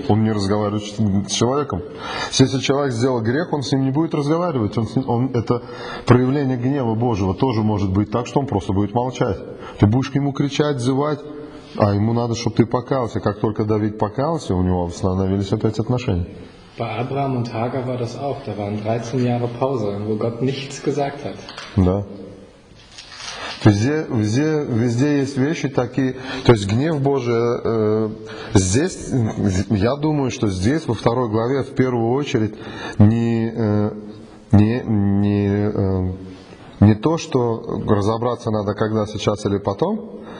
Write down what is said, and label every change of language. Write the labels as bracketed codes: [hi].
[ru] Он не разговаривает с человеком. Если человек сделал грех, он с ним не будет разговаривать. Это проявление гнева Божьего. Тоже может быть так, что он просто будет молчать. Ты будешь к нему кричать, зывать. А ему надо, чтобы ты покаялся. Как только Давид покаялся, у него восстановились опять отношения. [de] Bei Abraham und Hagar war das auch. Da waren 13 Jahre Pause, wo Gott nichts gesagt hat. [ru] Да. Везде есть вещи такие. То есть гнев Божий здесь. Я думаю, что здесь во второй главе в первую очередь не то, что разобраться надо, когда сейчас или потом.